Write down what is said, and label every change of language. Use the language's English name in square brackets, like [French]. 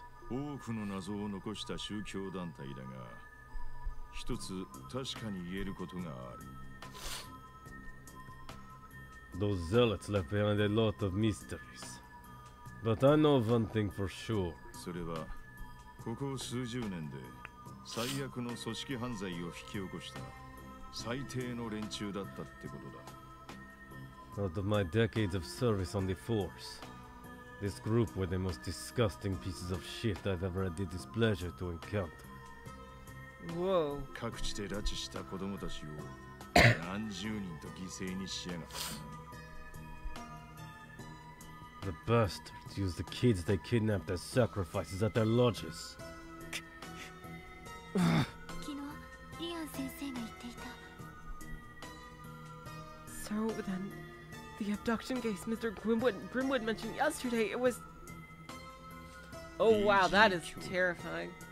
[Japanese] 多くの謎を残した宗教団体だが、一つ確かに言えることがある。 [English] Those zealots left behind a lot of mysteries. But I know of one thing for sure. [Japanese] それは、ここ数十年で最悪の組織犯罪を引き起こした最低の連中だったってことだ。 [English] Out of my decades of service on the force, this group were the most disgusting pieces of shit I've ever had the displeasure to encounter. Whoa. [Japanese] 各地で拉致した子供たちを何十人と犠牲にしやがった。 [English] The bastards use the kids they kidnapped as sacrifices at their lodges. [Japanese] 昨日、イアン先生が言っていた。 [English] So then, the abduction case Mr. Grimwood mentioned yesterday, it was... Oh wow, that is terrifying.